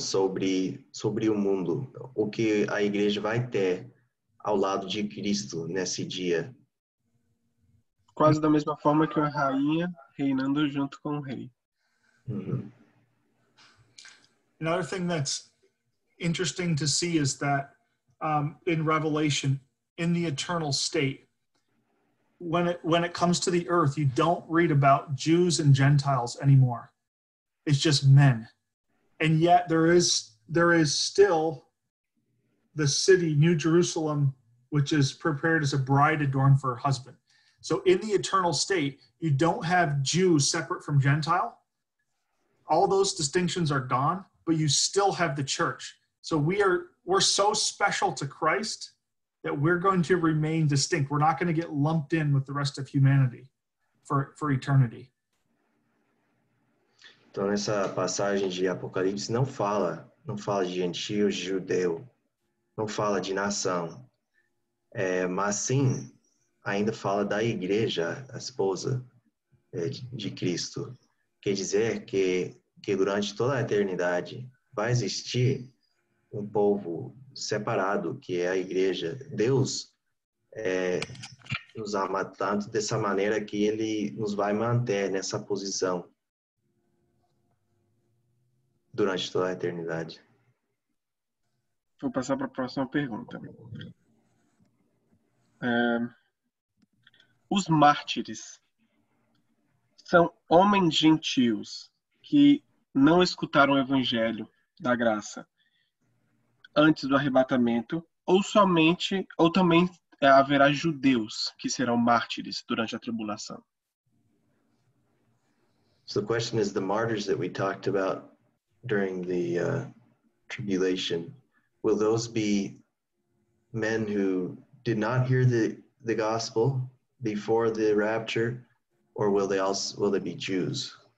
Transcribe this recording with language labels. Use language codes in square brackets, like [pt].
[pt] sobre o mundo, o que a igreja vai ter ao lado de Cristo nesse dia. Quase da mesma forma que uma rainha reinando junto com o rei. Uhum. [en] Another thing that's interesting to see is that in Revelation, in the eternal state, when it comes to the earth, you don't read about Jews and Gentiles anymore. It's just men. And yet there is still the city, New Jerusalem, which is prepared as a bride adorned for her husband. So in the eternal state, you don't have Jews separate from Gentile. All those distinctions are gone, but you still have the church. So we're so special to Christ that we're going to remain distinct. We're not going to get lumped in with the rest of humanity for eternity. [pt] Então, nessa passagem de Apocalipse, não fala de gentio, judeu, não fala de nação, mas sim, ainda fala da igreja, a esposa de Cristo. Quer dizer que durante toda a eternidade vai existir um povo separado, que é a igreja. Deus nos ama tanto dessa maneira que ele nos vai manter nessa posição durante toda a eternidade. Vou passar para a próxima pergunta. Os mártires são homens gentios que não escutaram o evangelho da graça antes do arrebatamento, ou também haverá judeus que serão mártires durante a tribulação? [en] So the question is, the martyrs that we talked about during the tribulation, will those be men who did not hear the gospel before the rapture, or will they be Jews?